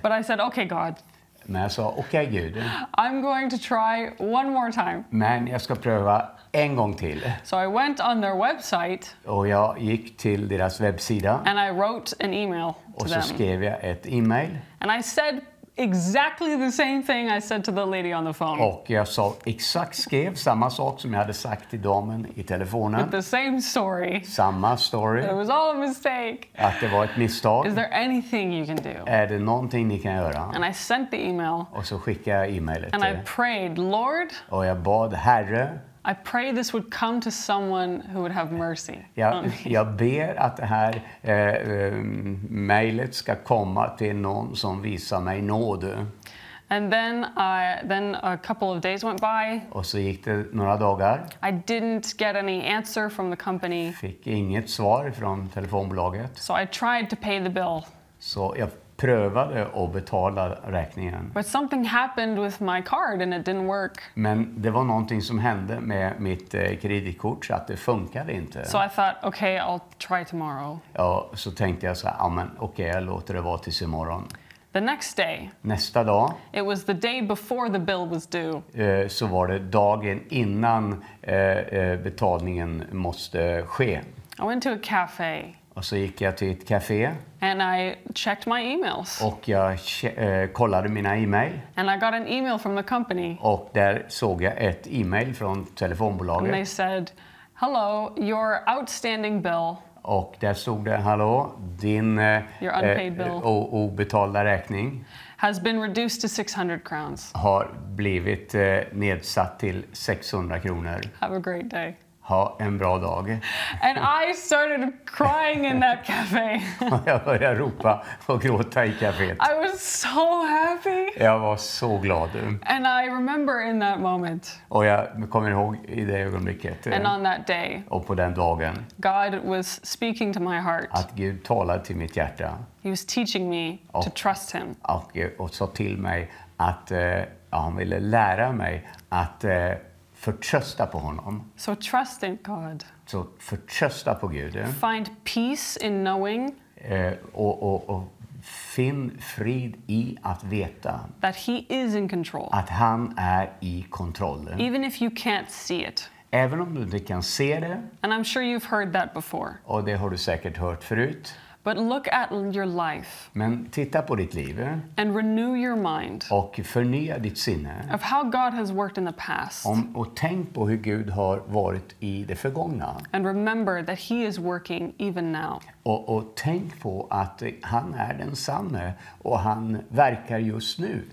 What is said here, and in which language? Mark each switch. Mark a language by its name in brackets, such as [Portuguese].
[English] But I said, okay, God. [Swedish] Men jag sa, okej, Gud. [English] I'm going to try one more time. [Swedish] Men jag ska pröva en gång till. [English] So I went on their website. [Swedish] Och jag gick till deras webbsida. [English] And I wrote an email to them. [Swedish] Och så skrev jag ett email. [English] And I said exactly the same thing I said to the lady on the phone. [Swedish] Och jag sa exakt skrev samma sak som jag hade sagt till damen I telefonen. [English] With the same story. [Swedish] Samma story. [English] It was all a mistake. [Swedish] Att det var ett misstag. [English] Is there anything you can do? [Swedish] Är det någonting ni kan göra? [English] And I sent the email. [Swedish] Och så skickade jag emailet. [English] And I prayed, Lord. [Swedish] Och jag bad, Herre. [English] I pray this would come to someone who would have mercy. [Swedish] Jag ber att det här mejlet ska komma till någon som visar mig nåd. [English] And then a couple of days went by. [Swedish] Och så gick det några dagar. [English] I didn't get any answer from the company. [Swedish] Fick inget svar från telefonbolaget. [English] So I tried to pay the bill. [Swedish] Så jag prövade att betala räkningen. [English] But something happened with my card and it didn't work. [Swedish] Men det var någonting som hände med mitt kreditkort så att det funkade inte. [English] So I thought, okay, I'll try tomorrow. [Swedish] Ja, så tänkte jag så här, ja men okej, jag låter det vara tills imorgon. [English] The next day. [Swedish] Nästa dag. [English] It was the day before the bill was due. [Swedish] Så var det dagen innan betalningen måste ske. [English] I went to a cafe. [Swedish] Och så gick jag till ett café. [English] And I checked my emails. [Swedish] Och jag kollade mina e-mail. [English] And I got an email from the company. [Swedish] Och där såg jag ett e-mail från telefonbolaget. [English] And they said, hello, your outstanding bill. [Swedish] Och där stod det, hallå, din obetalda räkning. [English] Has been reduced to 600 crowns. [Swedish] Har blivit nedsatt till 600 kronor. [English] Have a great day. [Swedish] Ha en bra dag. [English] And I started crying in that cafe. [Swedish] Jag började ropa och gråta I kaféet. [English] I was so happy. [Swedish] Jag var så glad. [English] And I remember in that moment. [Swedish] Och jag kommer ihåg I det ögonblicket. [English] And on that day. [Swedish] Och på den dagen. [English] God was speaking to my heart. [Swedish] Att Gud talade till mitt hjärta. [English] He was teaching me to trust him. [Swedish] Och sa till mig att han ville lära mig att förtrösta på honom. [English] So trust in God. [Swedish] Så förtrösta på Gud. [English] Find peace in knowing. [Swedish] Och finn frid I att veta. [English] That he is in control. [Swedish] Att han är I kontroll. [English] Even if you can't see it. [Swedish] Även om du inte kan se det. [English] And I'm sure you've heard that before. [Swedish] Och det har du säkert hört förut. [English] But look at your life. [Swedish] Men titta på ditt liv. [English] And renew your mind. [Swedish] Och förnya ditt sinne. [English] Of how God has worked in the past. [Swedish] Och tänk på hur Gud har varit I det förgångna. [English] And remember that he is working even now. [Swedish] Och tänk på att han är den sanne och han verkar just nu.